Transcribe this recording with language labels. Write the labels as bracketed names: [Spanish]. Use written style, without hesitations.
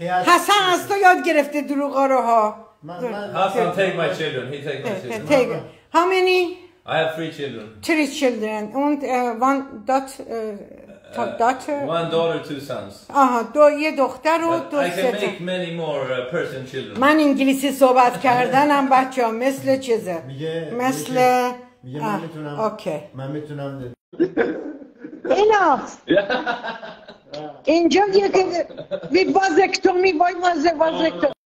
[Persian] Hassan [English] has to [Persian] یاد گرفته دروغ رو ها. [English] Hassan, take my children. He takes my children. How many? I have three children. Three children. And one daughter. One daughter, two sons. [Persian] یه دختر و دو سه. [English] I can make many more person children. [Persian] من انگلیسی صحبت کردنم بچه ها مثل چیزه. مثل. من میتونم. [English] Enough. [Persian] اینجا یک وازکتومی وای مازه وازکتومی.